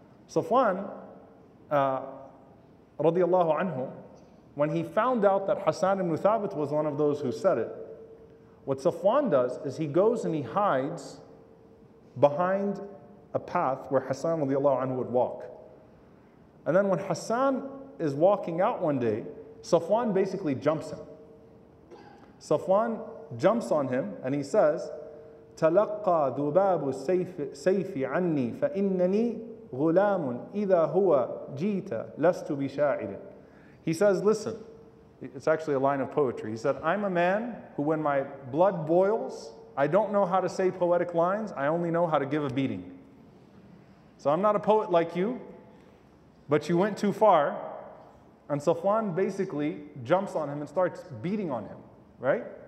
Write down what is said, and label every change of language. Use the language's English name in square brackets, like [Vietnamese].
[English] Safwan, radiallahu anhu, when he found out that Hassan ibn Thabit was one of those who said it, what Safwan does is he goes and he hides behind a path where Hassan radiallahu anhu would walk. And then when Hassan is walking out one day, Safwan basically jumps him. Safwan jumps on him and he says, [Arabic] تَلَقَّى ذُبَابُ سَيْفِ عَنِّي فَإِنَّنِي غُلَامٌ إِذَا هُوَ جِيتَ لَسْتُ بِشَاعِرٍ. [English] He says, listen, it's actually a line of poetry. He said, I'm a man who when my blood boils, I don't know how to say poetic lines, I only know how to give a beating. So I'm not a poet like you, but you went too far. And Safwan basically jumps on him and starts beating on him, right?